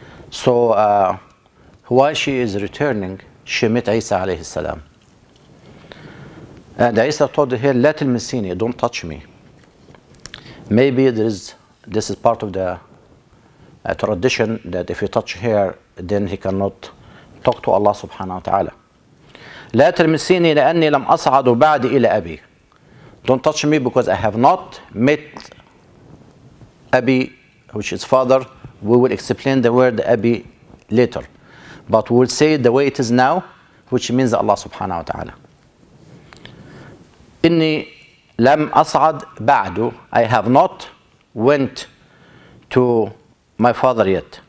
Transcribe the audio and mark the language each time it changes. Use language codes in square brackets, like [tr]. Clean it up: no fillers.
[en] So while she is returning, she met Isa alayhi salam. And Isa told her, let me see you, don't touch me. Maybe this is part of the tradition that if you touch her, then he cannot talk to Allah subhanahu wa ta'ala. [ar] لا تلمسيني لأني لم أصعد بعد إلى أبي. [en] Don't touch me because I have not met أبي, which is father. We will explain the word أبي later. But we'll say it the way it is now, which means Allah subhanahu wa ta'ala. [ar] إني لم أصعد بعد, [en] I have not went to my father yet.